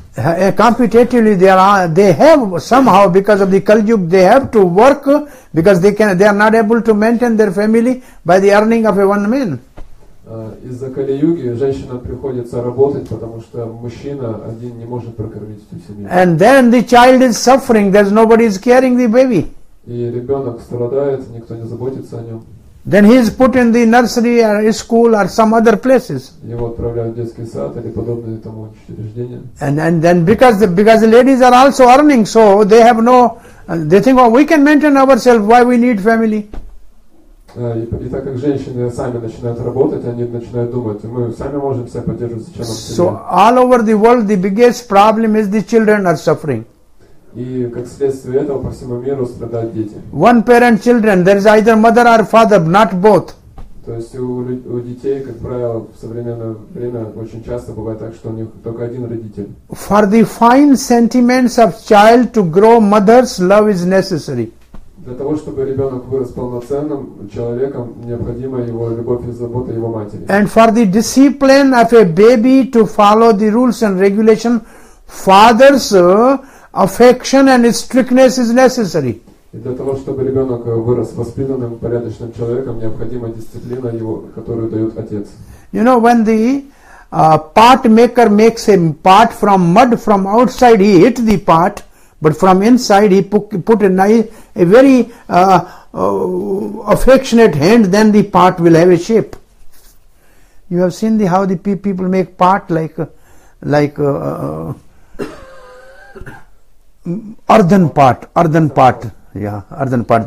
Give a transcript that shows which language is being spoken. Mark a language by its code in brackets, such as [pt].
[en] Competitively they have somehow because of the Kaljug they have to work because they are not able to maintain their family by the earning of a one man. [ru] Из-за Кали-юги женщинам приходится работать, потому что мужчина один не может прокормить всю семью. [en] And then the child is suffering, there's nobody is caring the baby. [ru] И ребенок страдает, никто не заботится о нем. [en] Then he is put in the nursery or school or some other places. [ru] Его отправляют в детский сад или подобные тому учреждения. [en] And then because the ladies are also earning, so they have no, they think, oh, we can maintain ourselves, why we need family? [ru] И так как женщины сами начинают работать, они начинают думать, мы сами можем себя поддерживать, зачем нам семья. [en] So all over the world, the biggest problem is the children are suffering. [ru] И как следствие этого, по всему миру страдают дети. [en] One parent children, there is either mother or father, not both. [ru] То есть у детей, как правило, в современное время очень часто бывает так, что у них только один родитель. [en] For the fine sentiments of child to grow, mother's love is necessary. [ru] Для того, чтобы ребенок вырос полноценным человеком, необходима его любовь и забота его матери. [en] And for the discipline of a baby to follow the rules and regulation, father's affection and strictness is necessary. [ru] И для того, чтобы ребенок вырос воспитанным, порядочным человеком, необходима дисциплина его, которую дает отец. [en] You know, when the pot maker makes a pot from mud, from outside he hit the pot. But from inside, he put a nice, a very affectionate hand. Then the pot will have a shape. You have seen the how the people make pot like earthen pot, yeah, earthen pot.